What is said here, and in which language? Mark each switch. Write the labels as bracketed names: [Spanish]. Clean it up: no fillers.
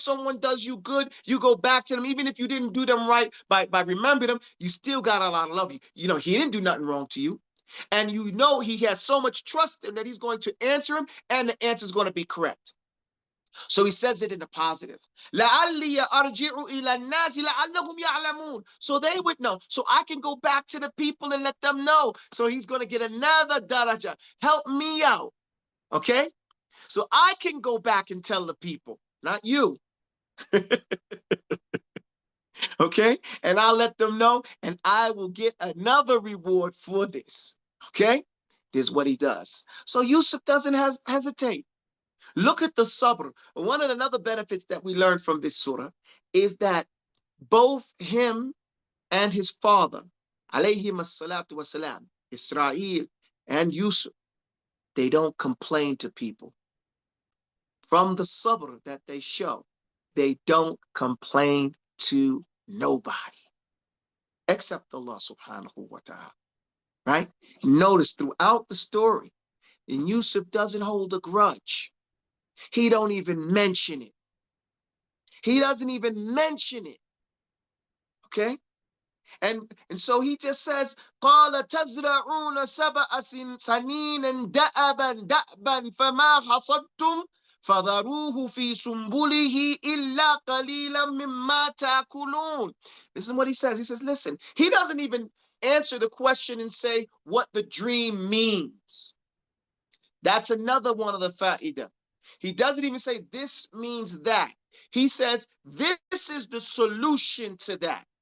[English] Someone does you good, you go back to them. Even if you didn't do them right by remembering them, you still got a lot of love. You know, he didn't do nothing wrong to you. And you know he has so much trust in that he's going to answer him, and the answer is going to be correct. So he says it in a positive. [Arabic] لَعَلِّيَ أَرْجِعُ إِلَى النَّاسِ لَعَلَّهُمْ يَعْلَمُونَ, [English] so they would know. So I can go back to the people and let them know. So he's going to get another daraja. Help me out. Okay? So I can go back and tell the people, not you. Okay? And I'll let them know, and I will get another reward for this. Okay? This is what he does. So Yusuf doesn't hesitate. Look at the sabr. One of the other benefits that we learn from this surah is that both him and his father, alayhim as-salatu wa-salam, Israel and Yusuf, they don't complain to people. From the sabr that they show, they don't complain to nobody except Allah subhanahu wa ta'ala, right? Notice throughout the story, and Yusuf doesn't hold a grudge. He don't even mention it. He doesn't even mention it, okay? And so he just says, [Arabic] قَالَ تَزْرَعُونَ سَبَعَ سَنِينًا دَأَبًا دَأْبًا فَمَا حَصَدْتُمْ فَذَرُوهُ فِي سُنْبُلِهِ إِلَّا قَلِيلًا مِمَّا تَأْكُلُونَ. [English] This is what he says. He says, listen, he doesn't even answer the question and say what the dream means. That's another one of the fa'idah. He doesn't even say this means that. He says, this is the solution to that.